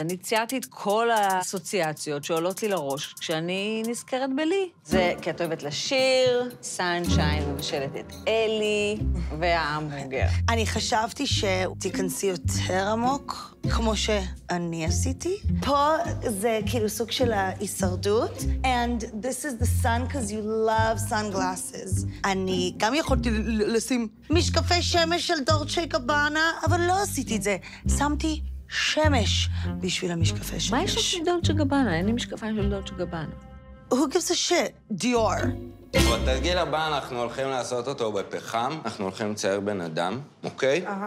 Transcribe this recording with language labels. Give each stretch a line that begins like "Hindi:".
Hebrew: אני ציירתי את כל האסוציאציות שעולות לי לראש כשאני נזכרת בלי. זה כי את אוהבת לשיר, סאנשיין ומשלת את אלי וההמבורגר. אני חשבתי שתיכנסי יותר עמוק, כמו שאני עשיתי. פה זה כאילו סוג של ההישרדות.
English: And this is the sun because you love sunglasses.
Hebrew: אני גם יכולתי לשים משקפי שמש של דולצ'ה גבאנה, אבל לא עשיתי את זה. שמתי שמש בשביל המשקפי שמש. מה יש לך דולצ'ה גבאנה? אין לי משקפיים של דולצ'ה גבאנה.
English: Who gives a shit? Dior.
Hebrew: בתרגיל הבא אנחנו הולכים לעשות אותו בפחם. אנחנו הולכים לצייר בן אדם, אוקיי?